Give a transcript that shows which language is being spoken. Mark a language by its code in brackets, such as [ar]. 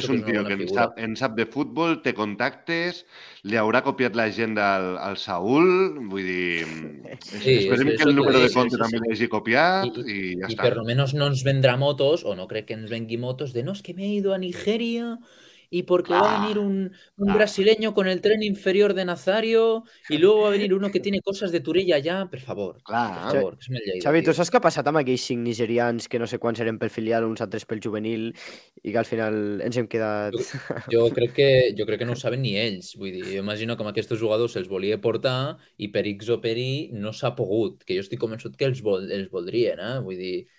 [ca] és un tio que en sap de futbol, té contactes, li haurà copiat l'agenda al Saúl, vull dir... Sí, esperem que el número de compte també l'hagi copiat i ja està. I per lo menos no ens vendrà motos, o no crec que ens vengui motos, de no, és que m'he ido a Nigèria... [es] Y porque va a venir un brasileño con el tren inferior de Nazario y luego va a venir uno que tiene cosas de Turilla allá, por favor. [ca] Xavi, tu saps què ha passat amb aquells 5 nigerians que no sé quants eren pel filial, uns altres pel juvenil i que al final ens hem quedat... Jo crec que no ho saben ni ells. Vull dir, jo imagino que amb aquests jugadors se'ls volia portar i per X o per Y no s'ha pogut, que jo estic convençut que els voldrien, eh? Vull dir...